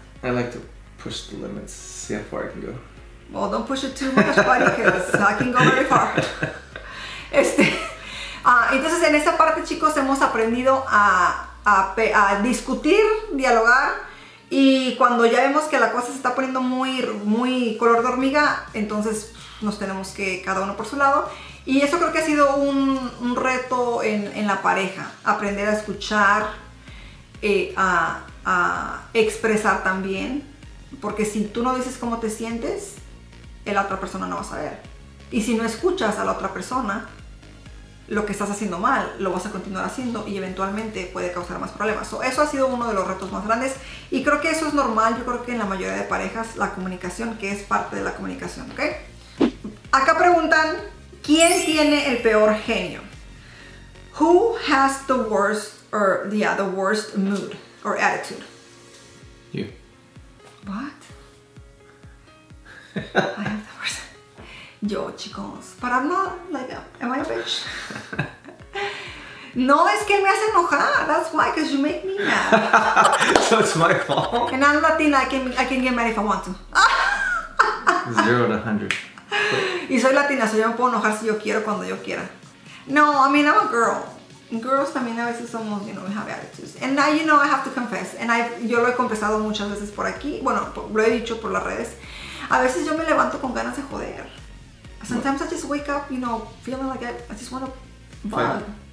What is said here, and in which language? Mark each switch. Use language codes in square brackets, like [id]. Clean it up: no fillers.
[en] I like to push the limits, see how far I can go. Well, don't push it too much, buddy, because I can go very far. [es] Entonces, en esta parte, chicos, hemos aprendido a discutir, dialogar, y cuando ya vemos que la cosa se está poniendo muy, muy color de hormiga, entonces nos tenemos que cada uno por su lado. Y eso creo que ha sido un reto en la pareja, aprender a escuchar, a expresar también, porque si tú no dices cómo te sientes, la otra persona no va a saber. Y si no escuchas a la otra persona, lo que estás haciendo mal, lo vas a continuar haciendo y eventualmente puede causar más problemas. So, eso ha sido uno de los retos más grandes y creo que eso es normal. Yo creo que en la mayoría de parejas, la comunicación, que es parte de la comunicación, ¿ok? Acá preguntan, ¿quién tiene el peor genio? [en] Who has the worst or yeah, the worst mood or attitude? You. What? I have the worst. [es] Yo, chicos. [en] But I'm not like, am I a bitch? [es] No, es que me hace enojar. [en] That's why, because you make me mad. So it's my fault. And I'm Latina, I can get mad if I want to. 0 to 100. [es] Y soy latina, so yo me puedo enojar si yo quiero, cuando yo quiera. [en] No, I mean, I'm a girl. Girls [es] también a veces somos, [en] you know, we have attitudes. And now, you know, I have to confess. [es] And yo lo he confesado muchas veces por aquí. Bueno, lo he dicho por las redes. A veces yo me levanto con ganas de joder. [en] Sometimes what? I just wake up, you know, feeling like I just want to bug.